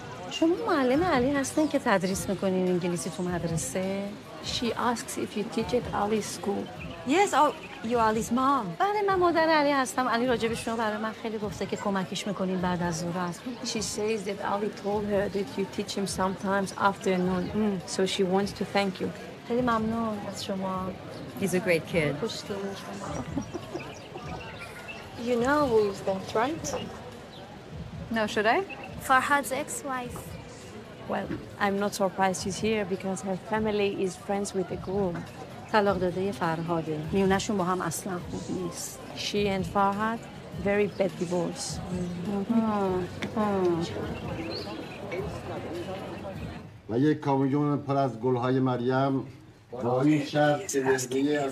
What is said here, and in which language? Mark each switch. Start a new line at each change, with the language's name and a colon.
Persian: شما معلم علی هستن که تدریس میکنین انگلیسی تو مدرسه؟
English: She asks if you teach at Ali's school. Yes, oh, you are Ali's mom.
Persian: بله من مادر علی هستم. علی راجب شما برای من خیلی گفته که کمکش میکنین بعد از ظهر.
English: She says that Ali told her that you teach him sometimes afternoon. Mm. So she wants to thank you.
Persian: خیلی ممنون از شما.
English: He's a great kid. You know who is that, right? No, should I? Farhad's ex-wife. Well, I'm not surprised she's here because her family is friends with the groom.
Persian: طلاق داده فرهاد. میونشون با هم اصلا خوب نیست.
English: She and Farhad, very bad divorce.
Persian: و یک کامیون پر از گل‌های مریم با این شرط که زندگی از